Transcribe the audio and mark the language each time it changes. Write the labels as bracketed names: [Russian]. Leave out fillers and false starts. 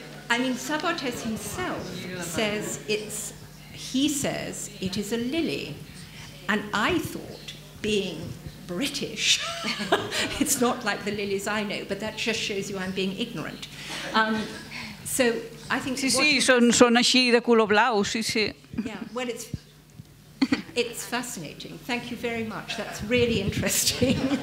[English] I mean, Sabartés himself says it is a lily. And I thought, being British, it's not like the lilies I know, but that just shows you I'm being ignorant. So I think [Catalan] Són així de color blau, sí. [English] Yeah, well, it's fascinating. Thank you very much. That's really interesting.